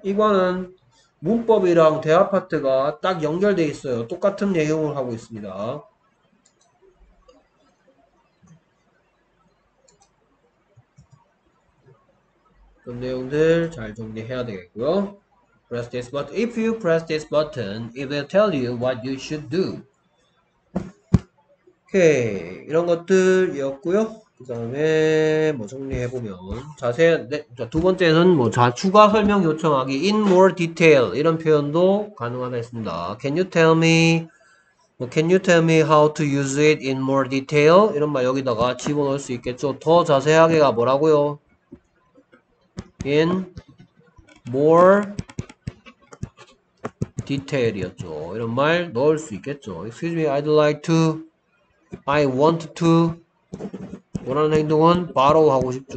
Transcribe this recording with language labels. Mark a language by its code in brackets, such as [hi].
[ko] 이거는 문법이랑 대화 파트가 딱 연결돼 있어요. 똑같은 내용을 하고 있습니다. 그런 내용들 잘 정리해야 되겠고요. [en] Press this button. If you press this button, it will tell you what you should do. [ko] 오케이. 이런 것들이었고요. 그다음에 뭐 정리해 보면 자세한 네, 자, 두 번째는 뭐 자, 추가 설명 요청하기 [en] in more detail [ko] 이런 표현도 가능하다 했습니다. [en] Can you tell me how to use it in more detail? [ko] 이런 말 여기다가 집어넣을 수 있겠죠. 더 자세하게가 뭐라고요? [en] In more detail이었죠. [ko] 이런 말 넣을 수 있겠죠. [en] Excuse me, I'd like to I want to [ko] 원하는 행동은 바로 하고 싶죠.